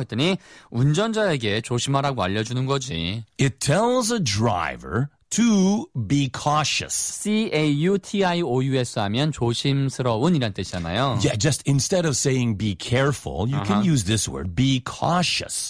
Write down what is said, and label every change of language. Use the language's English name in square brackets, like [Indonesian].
[Korean] 했더니 운전자에게 조심하라고 알려주는 거지. [English] It tells a driver to be cautious. [Korean] C-A-U-T-I-O-U-S 하면 조심스러운이란 뜻이잖아요. [English] Yeah, just instead of saying be careful, you can use this word, be cautious.